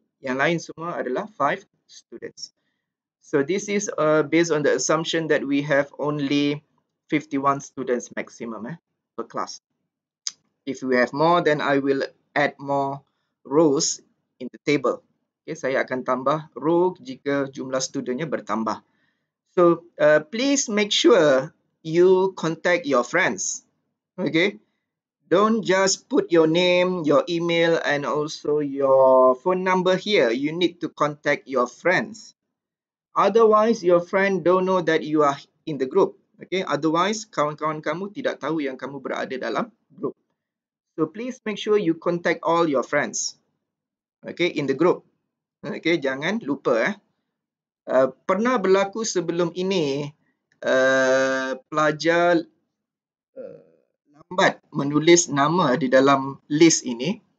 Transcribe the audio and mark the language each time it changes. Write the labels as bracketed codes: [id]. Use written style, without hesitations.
[ms] Yang lain semua adalah 5 students. [en] So this is based on the assumption that we have only 51 students maximum per class. If we have more, then I will add more rows in the table. [ms] Okay, saya akan tambah row jika jumlah studentnya bertambah. [en] So, please make sure you contact your friends. Okay? Don't just put your name, your email and also your phone number here. You need to contact your friends. Otherwise, your friend don't know that you are in the group. Okay? [ms] Otherwise, kawan-kawan kamu tidak tahu yang kamu berada dalam. [en] So please make sure you contact all your friends, okay, in the group. [ms] Okay, jangan lupa. Pernah berlaku sebelum ini, pelajar lambat menulis nama di dalam list ini.